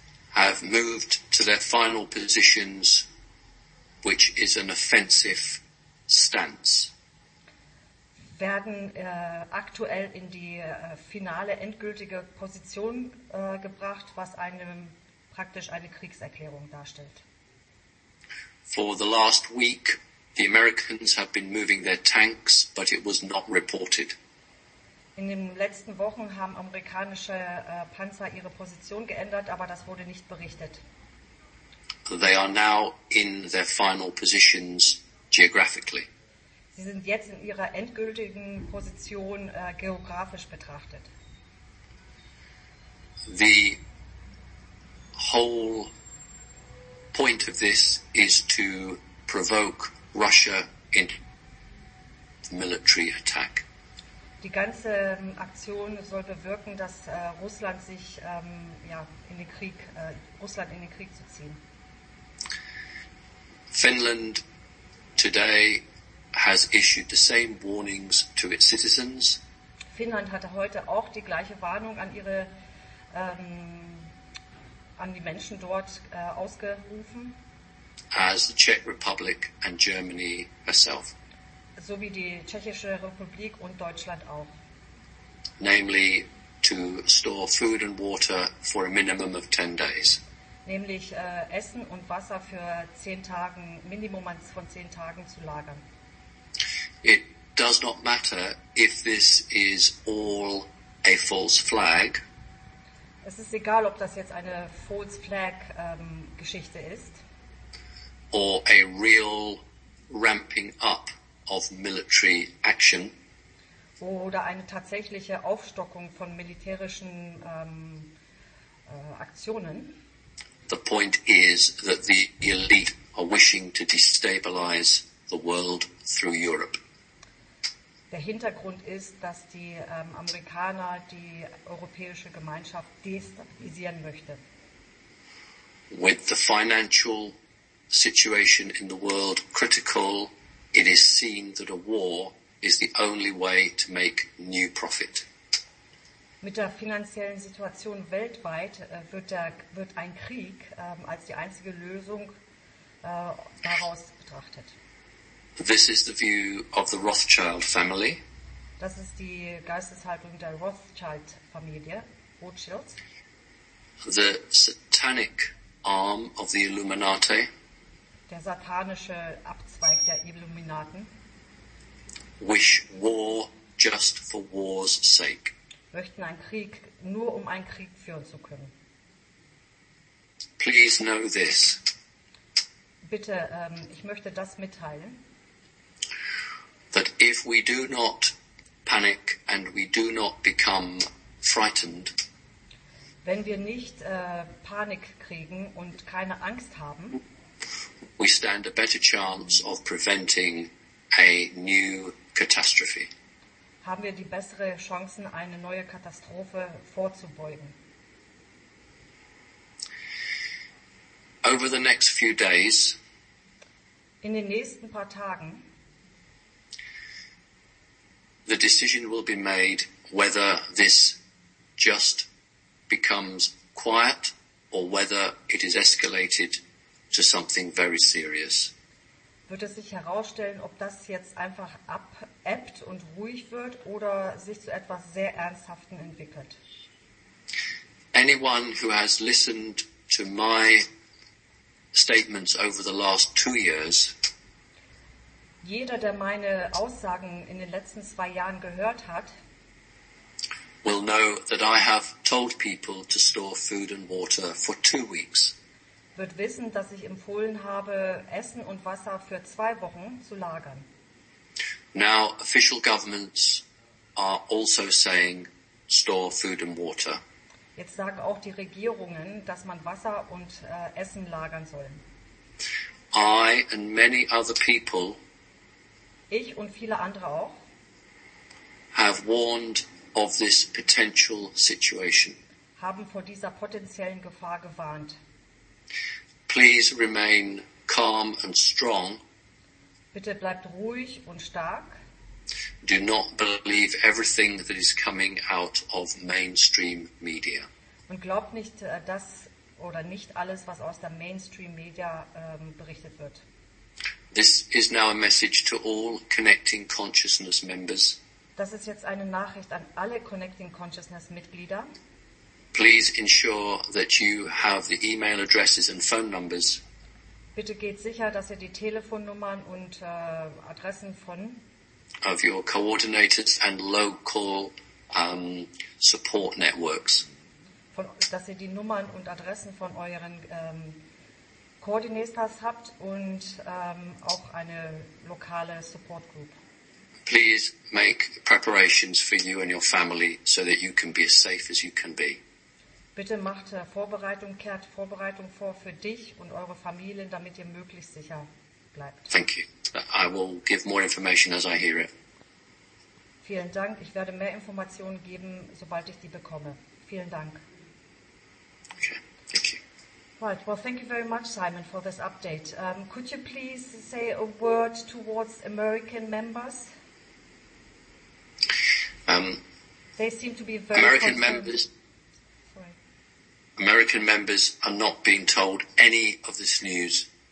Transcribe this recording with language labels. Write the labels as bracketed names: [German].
[English] have moved to their final positions, which is an offensive stance. [German] Werden aktuell in die finale endgültige Position gebracht, was praktisch eine Kriegserklärung darstellt. [English] For the last week, the Americans have been moving their tanks, but it was not reported. [German] In den letzten Wochen haben amerikanische Panzer ihre Position geändert, aber das wurde nicht berichtet. [English] They are now in their final positions geographically. [German] Sie sind jetzt in ihrer endgültigen Position geografisch betrachtet. [English] The whole point of this is to provoke Russia into military attack. [German] Die ganze Aktion soll bewirken, dass Russland sich in den Krieg Russland in den Krieg zu ziehen. [English] Finland today has issued the same warnings to its citizens. [German] Finnland hatte heute auch die gleiche Warnung an ihre an die Menschen dort ausgerufen. [English] As the Czech Republic and Germany herself. [German] So wie die Tschechische Republik und Deutschland auch. [English] namely to store food and water for a minimum of 10 days. [German] Nämlich Essen und Wasser für 10 Tagen, Minimum von 10 Tagen zu lagern. [English] It does not matter if this is all a false flag. [German] Es ist egal, ob das jetzt eine false flag Geschichte ist. [English] Or a real ramping up of military action. [German] Oder eine tatsächliche Aufstockung von militärischen Aktionen. [English] The point is that the elite are wishing to destabilize the world through Europe. [German] Der Hintergrund ist, dass die Amerikaner die europäische Gemeinschaft destabilisieren möchte. [English] With the financial situation in the world critical, it is seen that a war is the only way to make new profit. [German] Mit der finanziellen Situation weltweit wird ein Krieg als die einzige Lösung daraus betrachtet. [English] This is the view of the Rothschild family. [German] Das ist die Geisteshaltung der Rothschild-Familie, Rothschilds. [English] The satanic arm of the Illuminati. [German] Der satanische Abzweig der Illuminaten. [English] Wish war just for war's sake. [German] Möchten einen Krieg nur um einen Krieg führen zu können. [English] Please know this. [German] Bitte, ich möchte das mitteilen. [English] That if we do not panic and we do not become frightened, [German] wenn wir nicht Panik kriegen und keine Angst haben, [English] we stand a better chance of preventing a new catastrophe. [German] Haben wir die bessere Chancen, eine neue Katastrophe vorzubeugen. [English] Over the next few days, [German] in den nächsten paar Tagen, [English] the decision will be made whether this just becomes quiet or whether it is escalated to something very serious. [German] Wird es sich herausstellen, ob das jetzt einfach abebbt und ruhig wird oder sich zu etwas sehr Ernsthaftem entwickelt? [English] Anyone who has listened to my statements over the last 2 years, [German] jeder, der meine Aussagen in den letzten 2 Jahren gehört hat, [English] will know that I have told people to store food and water for 2 weeks. [German] Wird wissen, dass ich empfohlen habe, Essen und Wasser für 2 Wochen zu lagern. [English] Now official governments are also saying store food and water. [German] Jetzt sagen auch die Regierungen, dass man Wasser und Essen lagern soll. [English] I and many other people, [German] ich und viele andere auch, [English] have warned of this potential situation. [German] Haben vor dieser potenziellen Gefahr gewarnt. [English] Please remain calm and strong. [German] Bitte bleibt ruhig und stark. [English] Do not believe everything that is coming out of mainstream media. [German] Und glaubt nicht das oder nicht alles, was aus der Mainstream Media berichtet wird. [English] This is now a message to all Connecting Consciousness members. [German] Das ist jetzt eine Nachricht an alle Connecting Consciousness Mitglieder. [English] Please ensure that you have the email addresses and phone numbers. [German] Bitte geht sicher, dass ihr die Telefonnummern und Adressen von [English] of your coordinators and local support networks. [German] Von, dass ihr die Nummern und Adressen von euren Koordinators habt und auch eine lokale Support Group. [English] Please make preparations for you and your family so that you can be as safe as you can be. [German] Bitte macht Vorbereitung, kehrt Vorbereitung vor für dich und eure Familien, damit ihr möglichst sicher bleibt. [English] Thank you. I will give more information as I hear it. [German] Vielen Dank. Ich werde mehr Informationen geben, sobald ich die bekomme. Vielen Dank. [English] Right. Well, thank you very much, Simon, for this update. Could you please say a word towards American members? They seem to be very American concerned. Members. Sorry. American members are not being told any of this news.